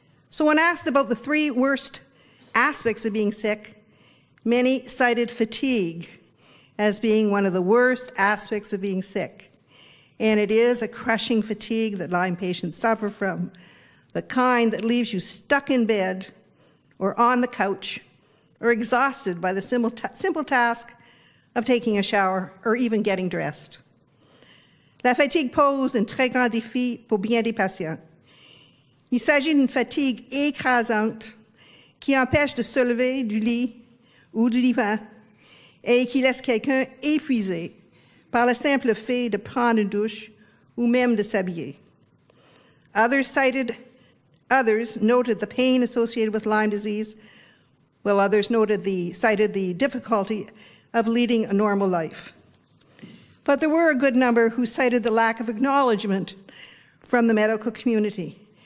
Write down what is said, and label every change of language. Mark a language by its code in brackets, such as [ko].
[en] So when asked about the three worst aspects of being sick, many cited fatigue as being one of the worst aspects of being sick. And it is a crushing fatigue that Lyme patients suffer from, the kind that leaves you stuck in bed or on the couch or exhausted by the simple task of taking a shower or even getting dressed. [fr] La fatigue pose un très grand défi pour bien des patients. Il s'agit d'une fatigue écrasante qui empêche de se lever du lit ou du divan et qui laisse quelqu'un épuisé par le simple fait de prendre une douche ou même de s'habiller. [en] Others noted the pain associated with Lyme disease, while others cited the difficulty of leading a normal life. But there were a good number who cited the lack of acknowledgement from the medical community.